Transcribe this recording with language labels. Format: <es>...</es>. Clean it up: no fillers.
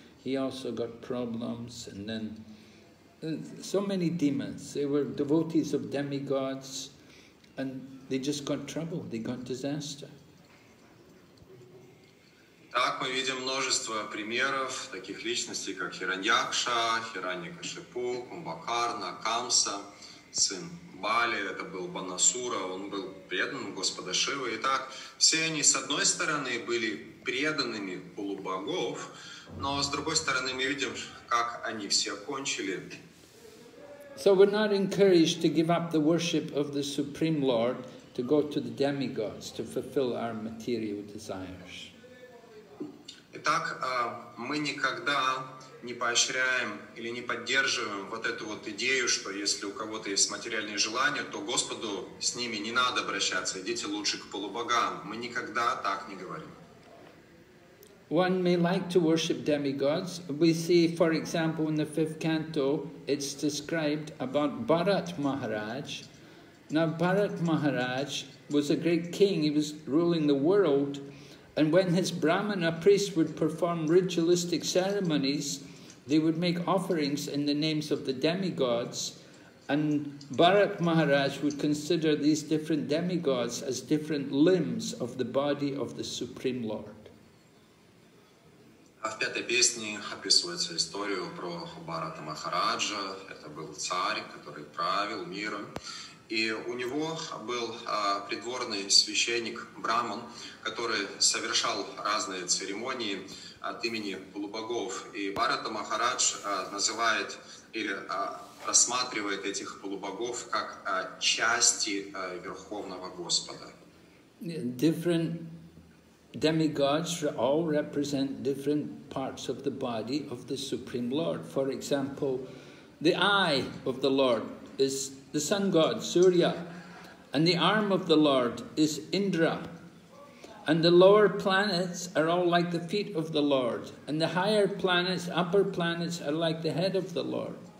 <en>He also got problems, and then so many demons. They were devotees of demigods, and they just got trouble. They got disaster.</en> <ru>Так мы видим множество примеров таких личностей, как Хираньякша, Хираньякашипу, Кумбхакарна, Камса, сын Бали, это был Банасура, он был предан Господа Шивы. Итак, все они, с одной стороны, были преданными полубогов, но с другой стороны, мы видим, как они все кончили.</ru> <en>So we're not encouraged to give up the worship of the Supreme Lord, to go to the demigods, to fulfill our material desires.</en> <ru>Итак, мы никогда не поощряем или не поддерживаем вот эту вот идею, что если у кого-то есть материальные желания, то Господу с ними не надо обращаться, идите лучше к полубогам. Мы никогда так не говорим.</ru> <en>One may like to worship demigods. We see, for example, in the fifth canto, it's described about Bharat Maharaj. Now, Bharat Maharaj was a great king, he was ruling the world. And when his brahmana priests would perform ritualistic ceremonies, they would make offerings in the names of the demigods, and Bharat Maharaj would consider these different demigods as different limbs of the body of the Supreme Lord.</en> <ru>А в пятой песне описывается историю про Бхарата Махараджа. Это был царь, который правил миром. И у него был придворный священник Браман, который совершал разные церемонии от имени полубогов. И Бхарата Махарадж называет или рассматривает этих полубогов как части Верховного Господа.</ru> <en>Different demigods all represent different parts of the body of the Supreme Lord. For example, the eye of the Lord is the sun god, Surya, and the arm of the Lord is Indra, and the lower planets are all like the feet of the Lord, and the higher planets, upper planets, are like the head of the Lord.</en>